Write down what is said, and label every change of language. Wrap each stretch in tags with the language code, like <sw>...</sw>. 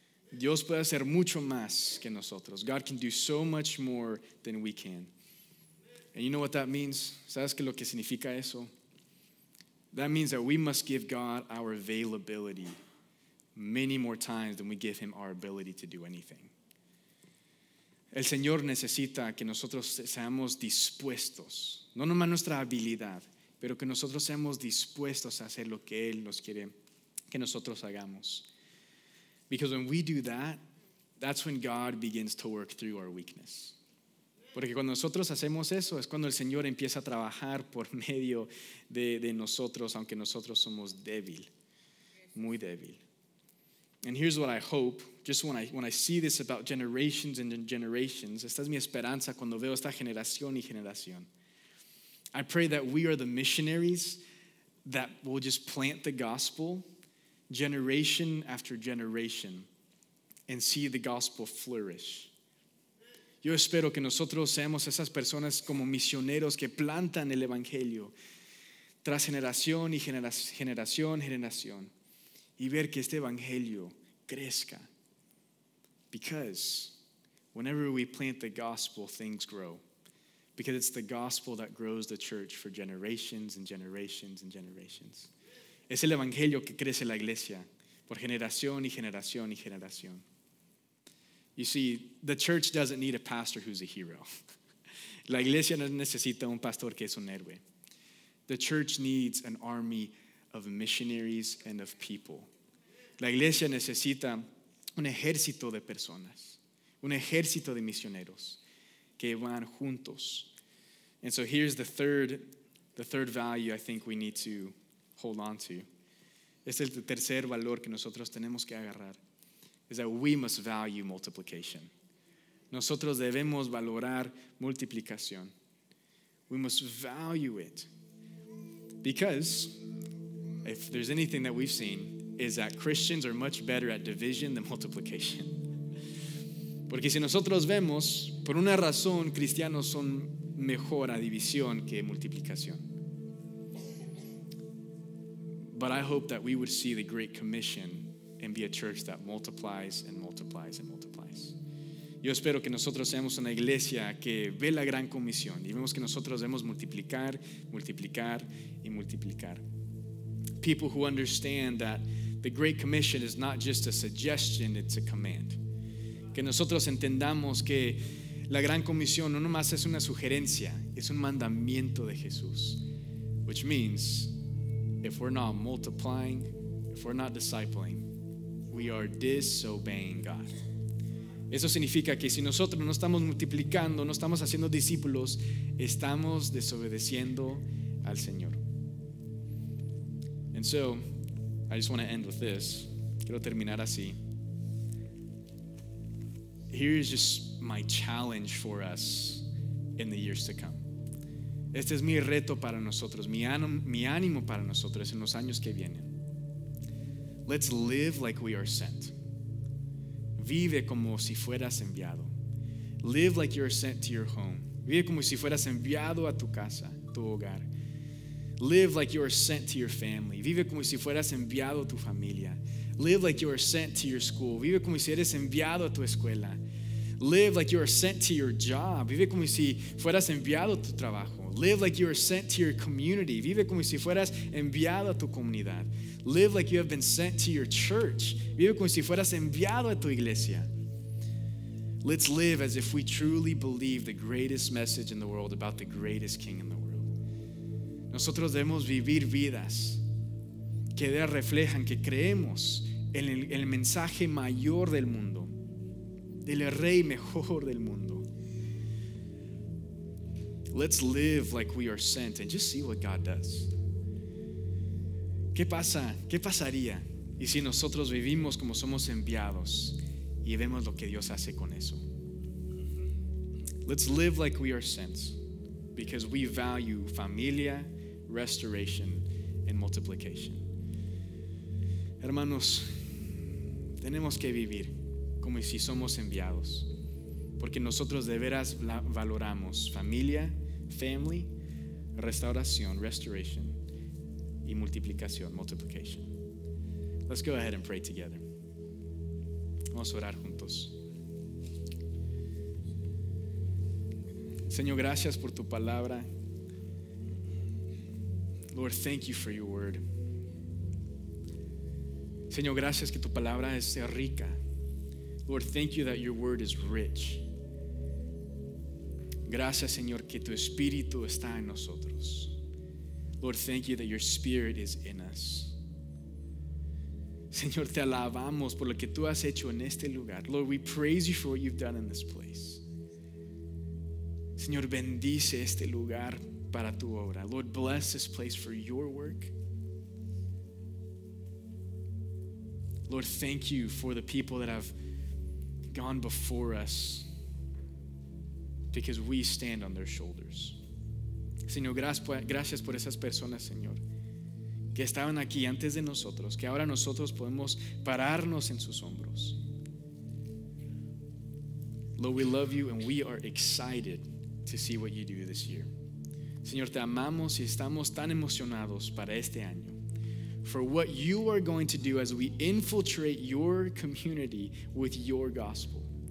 <es>Dios puede hacer mucho más que nosotros.</es> <en>God can do so much more than we can. And you know what that means?</en> <es>¿Sabes qué lo que significa eso?</es> <en>That means that we must give God our availability many more times than we give him our ability to do anything.</en> <es>El Señor necesita que nosotros seamos dispuestos, no nomás nuestra habilidad, pero que nosotros seamos dispuestos a hacer lo que Él nos quiere que nosotros hagamos.</es> <en>Because when we do that, that's when God begins to work through our weakness.</en> <es>Porque cuando nosotros hacemos eso, es cuando el Señor empieza a trabajar por medio de nosotros, aunque nosotros somos débil, muy débil.</es> <en>And here's what I hope, just when I see this about generations and generations,</en> <es>esta es mi esperanza cuando veo esta generación y generación.</es> <en>I pray that we are the missionaries that will just plant the gospel generation after generation and see the gospel flourish.</en> <es>Yo espero que nosotros seamos esas personas como misioneros que plantan el evangelio tras generación y generación y ver que este evangelio crezca.</es> <en>Because whenever we plant the gospel, things grow. Because it's the gospel that grows the church for generations and generations and generations.</en> <es>Es el evangelio que crece la iglesia por generación y generación y generación.</es> <en>You see, the church doesn't need a pastor who's a hero.</en> <es>La iglesia no necesita un pastor que es un héroe.</es> <en>The church needs an army of missionaries and of people.</en> <es>La iglesia necesita un ejército de personas, un ejército de misioneros que van juntos.</es> <en>And so here's the third value I think we need to hold on to.</en> <es>Es el tercer valor que nosotros tenemos que agarrar.</es> <en>Is that we must value multiplication.</en> <es>Nosotros debemos valorar multiplicación.</es> <en>We must value it. Because if there's anything that we've seen, is that Christians are much better at division than multiplication.</en> <es>Porque si nosotros vemos, por una razón, cristianos son mejor a división que multiplicación.</es> <en>But I hope that we would see the Great Commission and be a church that multiplies and multiplies and multiplies.</en> <es>Yo espero que nosotros seamos una iglesia que ve la Gran Comisión y vemos que nosotros debemos multiplicar, multiplicar y multiplicar.</es> <en>People who understand that the Great Commission is not just a suggestion, it's a command.</en> <es>Que nosotros entendamos que la Gran Comisión no nomás es una sugerencia, es un mandamiento de Jesús.</es> <en>Which means, if we're not multiplying, if we're not discipling, we are disobeying God.</en> <es>Eso significa que si nosotros no estamos multiplicando, no estamos haciendo discípulos, estamos desobedeciendo al Señor.</es> <en>And so, I just want to end with this.</en> <es>Quiero terminar así.</es> <en>Here is just my challenge for us in the years to come.</en> <es>Este es mi reto para nosotros, mi ánimo para nosotros en los años que vienen.</es> <en>Let's live like we are sent.</en> <es>Vive como si fueras enviado.</es> <en>Live like you're sent to your home.</en> <es>Vive como si fueras enviado a tu casa, tu hogar.</es> <en>Live like you're sent to your family.</en> <es>Vive como si fueras enviado a tu familia.</es> <en>Live like you're sent to your school.</en> <es>Vive como si eres enviado a tu escuela.</es> <en>Live like you're sent to your job.</en> <es>Vive como si fueras enviado a tu trabajo.</es> <en>Live like you're sent to your community.</en> <es>Vive como si fueras enviado a tu comunidad.</es> <en>Live like you have been sent to your church.</en> <es>Vive como si fueras enviado a tu iglesia.</es> <en>Let's live as if we truly believe the greatest message in the world about the greatest king in the world.</en> <es>Nosotros debemos vivir vidas que reflejan que creemos en el mensaje mayor del mundo, del rey mejor del mundo.</es> <en>Let's live like we are sent and just see what God does.</en> <es>¿Qué pasa? ¿Qué pasaría? Y si nosotros vivimos como somos enviados y vemos lo que Dios hace con eso.</es> <en>Let's live like we are sent because we value familia, restoration, and multiplication.</en> <es>Hermanos, tenemos que vivir como si somos enviados porque nosotros de veras valoramos familia, family, restauración, restoration, y multiplicación, multiplication.</es> <en>Let's go ahead and pray together.</en> <es>Vamos a orar juntos. Señor, gracias por tu palabra.</es> <en>Lord, thank you for your word.</en> <es>Señor, gracias que tu palabra es rica.</es> <en>Lord, thank you that your word is rich.</en> <es>Gracias, Señor, que tu espíritu está en nosotros.</es> <en>Lord, thank you that your spirit is in us.</en> <es>Señor, te alabamos por lo que tú has hecho en este lugar.</es> <en>Lord, we praise you for what you've done in this place.</en> <es>Señor, bendice este lugar para tu obra.</es> <en>Lord, bless this place for your work. Lord, thank you for the people that have gone before us because we stand on their shoulders.</en> <es>Señor, gracias por esas personas, Señor, que estaban aquí antes de nosotros, que ahora nosotros podemos pararnos en sus hombros.</es> <en>Lord, we love you and we are excited to see what you do this year.</en> <es>Señor, te amamos y estamos tan emocionados para este año.</es> <en>For what you are going to do as we infiltrate your community with your gospel.</en>